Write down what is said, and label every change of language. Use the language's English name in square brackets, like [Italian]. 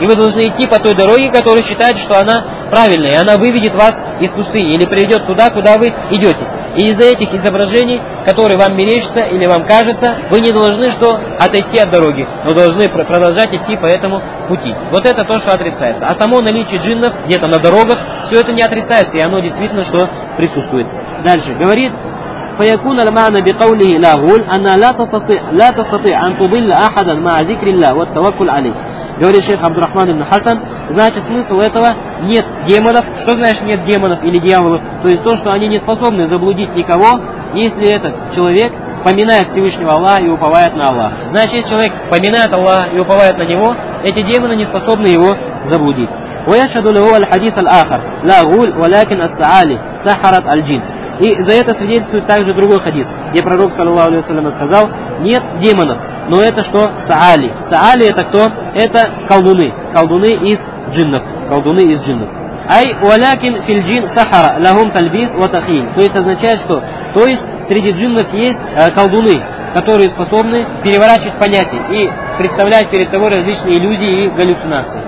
[Russian] И вы должны идти по той дороге, которую считаете, что она правильная, и она выведет вас из пустыни, или приведет туда, куда вы идете. И из-за этих изображений, которые вам мерещатся или вам кажутся, вы не должны что? Отойти от дороги, но должны продолжать идти по этому пути. Вот это то, что отрицается. А само наличие джиннов где-то на дорогах, все это не отрицается, и оно действительно что присутствует. Дальше говорит [Arabic] فيكون المعنى بقوله لا غول أن لا تستطيع أن تضل أحدا مع ذكر الله والتوكل عليه. [Russian] Говорит шейх Абдурахман ибн Хасан, значит смысл этого нет демонов. Что значит нет демонов или дьяволов? То есть то, что они не способны заблудить никого, если этот человек поминает Всевышнего Аллаха и уповает на Аллаха. Значит, если человек поминает Аллаха и уповает на него, эти демоны не способны его заблудить. [Arabic] ويشهد له الحديث الآخر لا غول ولكن السعالي سحرت الجن. [Russian] И за это свидетельствует также другой хадис, где пророк, саллаллаху алейхи ва саллям, сказал, нет демонов, но это что? Саали. Саали это кто? Это колдуны. Колдуны из джиннов. Колдуны из джиннов. [Arabic] Ай уалякин филь джин сахара лагум тальбис ва тахин. [Russian] То есть означает, что то есть среди джиннов есть колдуны, которые способны переворачивать понятия и представлять перед тобой различные иллюзии и галлюцинации.